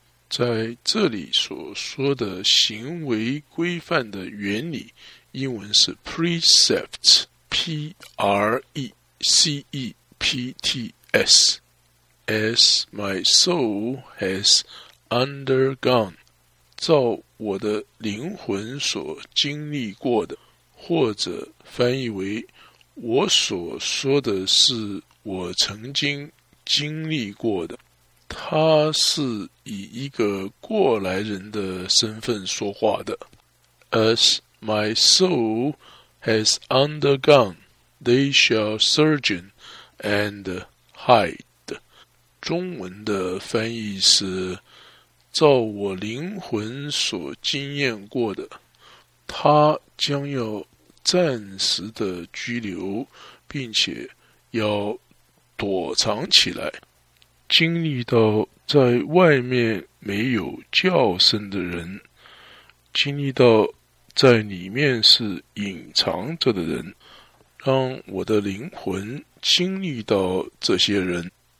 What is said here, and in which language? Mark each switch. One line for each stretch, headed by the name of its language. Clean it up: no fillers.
Chinese: 在这里所说的行为规范的原理，英文是 precept, P-R-E-C-E-P-T-S,
English: as my soul has undergone,
Chinese: 照我的灵魂所经历过的，或者翻译为我所说的是我曾经经历过的。他是以一个过来人的身份说话的。
English: As my soul has undergone, they shall surgeon and hide.
Chinese: 中文的翻译是照我灵魂所经验过的，他将要暂时的拘留并且要躲藏起来，经历到在外面没有叫声的人，经历到在里面是隐藏着的人，让我的灵魂经历到这些人。